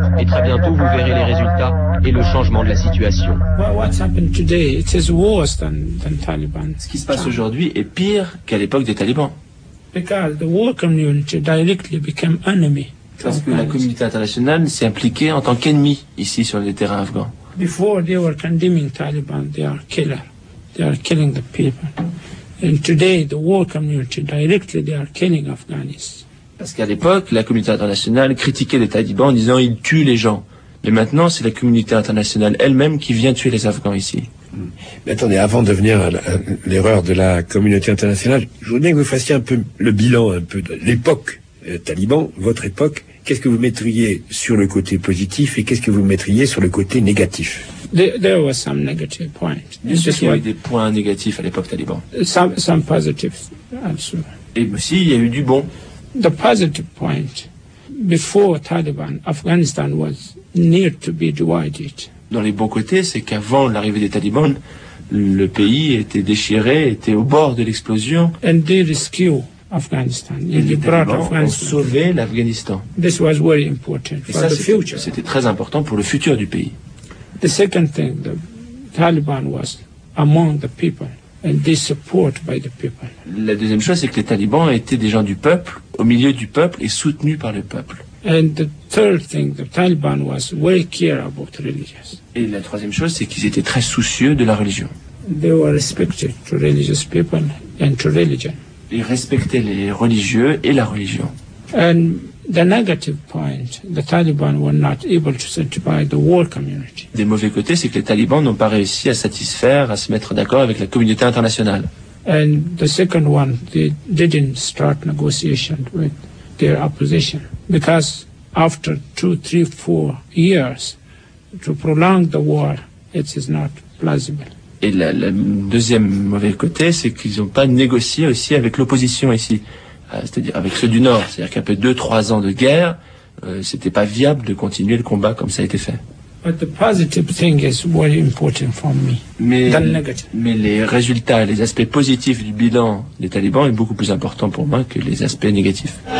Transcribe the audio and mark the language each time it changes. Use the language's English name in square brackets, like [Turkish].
[French] Et très bientôt, vous verrez les résultats et le changement de la situation. Ce qui se passe aujourd'hui est pire qu'à l'époque des talibans. [English] Because the war community directly became enemy. [French] Parce que la communauté internationale s'est impliquée en tant qu'ennemi ici sur les terrains afghans. [English] Before they were condemning Taliban, they are killer, they are killing the people. And today the war community directly they are killing Afghans. [French] Parce qu'à l'époque la communauté internationale critiquait les talibans en disant ils tuent les gens. Mais maintenant c'est la communauté internationale elle-même qui vient tuer les afghans ici. Mais attendez, avant de venir à l'erreur de la communauté internationale, je voudrais que vous fassiez un peu le bilan un peu de l'époque taliban, votre époque. Qu'est-ce que vous mettriez sur le côté positif et qu'est-ce que vous mettriez sur le côté négatif? [English] There were some negative points. [French] Bien sûr qu'il y a eu des points négatifs à l'époque taliban. [English] Some positives also. [French] Et aussi, il y a eu du bon. [English] The positive point, before Taliban, Afghanistan was near to be divided. [French] Dans les bons côtés, c'est qu'avant l'arrivée des talibans, le pays était déchiré, était au bord de l'explosion. [English] And they rescued Afghanistan. [French] Et les talibans ont sauvé l'Afghanistan. [English] This was very important for the future. [French] C'était très important pour le futur du pays. [English] The second thing, the Taliban was among the people and they supported by the people. [French] La deuxième chose, c'est que les talibans étaient des gens du peuple, au milieu du peuple et soutenus par le peuple. [English] And the third thing, the Taliban was very care about religious. [French] Et la troisième chose, c'est qu'ils étaient très soucieux de la religion. [English] They were respected to religious people and to religion. [French] Ils respectaient les religieux et la religion. [English] And the negative point, the Taliban were not able to satisfy the world community. [French] Des mauvais côtés, c'est que les talibans n'ont pas réussi à satisfaire, à se mettre d'accord avec la communauté internationale. [English] And the second one, they didn't start negotiations with their opposition. Because after 2, 3, 4 years to prolong the war, it is not plausible. [French] Et le deuxième mauvais côté, c'est qu'ils n'ont pas négocié aussi avec l'opposition ici, c'est-à-dire avec ceux du Nord. C'est-à-dire qu'après 2, 3 ans de guerre, c'était pas viable de continuer le combat comme ça a été fait. [English] But the positive thing is very important for me. [French] Mais les résultats, les aspects positifs du bilan des talibans est beaucoup plus important pour moi que les aspects négatifs.